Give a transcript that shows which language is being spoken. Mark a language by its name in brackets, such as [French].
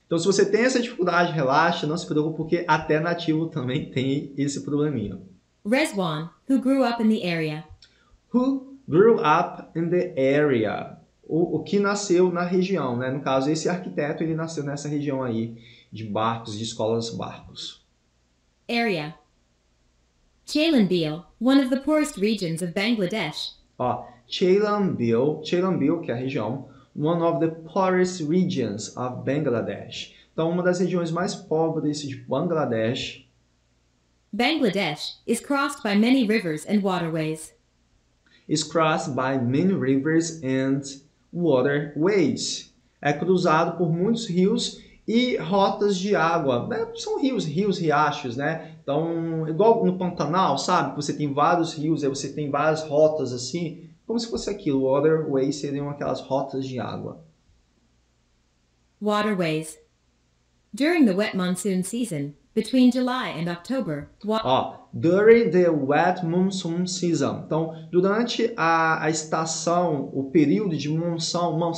[Portuguese] Então, se você tem essa dificuldade, relaxa, não se preocupe, porque até nativo também tem esse probleminha. [English] Rezwan, who grew up in the area. Who grew up in the area? [Portuguese] O que nasceu na região, né? No caso, esse arquiteto, ele nasceu nessa região aí de barcos, de escolas barcos. [English] Area. Chalanbiel, one of the poorest regions of Bangladesh. Ó, Chalanbiel, [Portuguese] que é a região, [English] one of the poorest regions of Bangladesh. [Portuguese] Então, uma das regiões mais pobres de Bangladesh. [English] Bangladesh is crossed by many rivers and waterways. Is crossed by many rivers and waterways. [Portuguese] É cruzado por muitos rios e rotas de água. Né? São rios, riachos, né? Então, igual no Pantanal, sabe? Você tem vários rios, aí você tem várias rotas assim. Como se fosse aquilo. Waterways seriam aquelas rotas de água. [English] Waterways. During the wet monsoon season, between July and October. During the wet monsoon season. [Portuguese] Então, durante a estação, o período de monção,